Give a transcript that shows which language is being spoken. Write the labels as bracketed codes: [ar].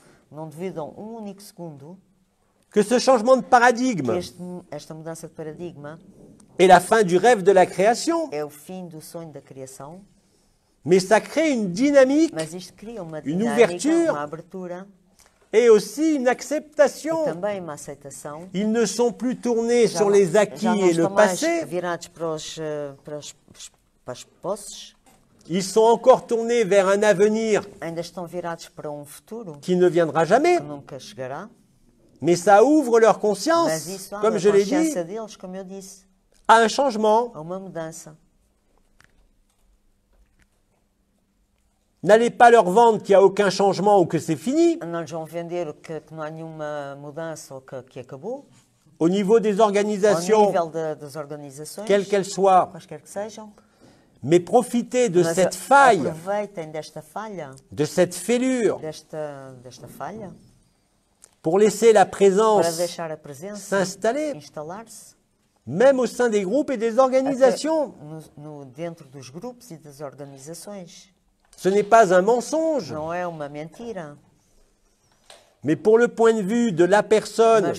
[pt] não duvidam um único segundo [fr] que ce changement de paradigme, [pt] esta mudança de paradigma [fr] est la fin du rêve de la création. [pt] É o fim do sonho da criação. [fr] Mais ça crée une dynamique, [pt] mas isto cria uma dinâmica, [fr] une ouverture, [pt] uma abertura, [fr] et aussi une acceptation. [pt] E também uma aceitação. [fr] Ils ne sont plus tournés sur les acquis et le passé. [pt] Já não estão mais virados para as posses. [fr] Ils sont encore tournés vers un avenir [pt] ainda estão virados para futuro [fr] qui ne viendra jamais. [pt] Que nunca chegará. [fr] Mais ça ouvre leur conscience, comme je l'ai dit, [pt] deles, como eu disse, [fr] à un changement. [pt] A uma mudança. [fr] N'allez pas leur vendre qu'il n'y a aucun changement ou que c'est fini. [pt] Não lhes vão vender que não há nenhuma mudança ou que acabou. [fr] Au niveau des organisations, [pt] das organizações, [fr] quelles qu'elles soient, [pt] quaisquer que sejam, [fr] mais profitez de cette faille, [pt] aproveitem desta falha, [fr] de cette fêlure, [pt] desta falha, [fr] pour laisser la présence, [pt] para deixar a presença [fr] s'installer, [pt] instalar-se, [fr] même au sein des groupes et des organisations. [pt] Dentro dos grupos e das organizações. [fr] Ce n'est pas un mensonge. [pt] Não é uma mentira. [fr] Mais pour le point de vue de la personne,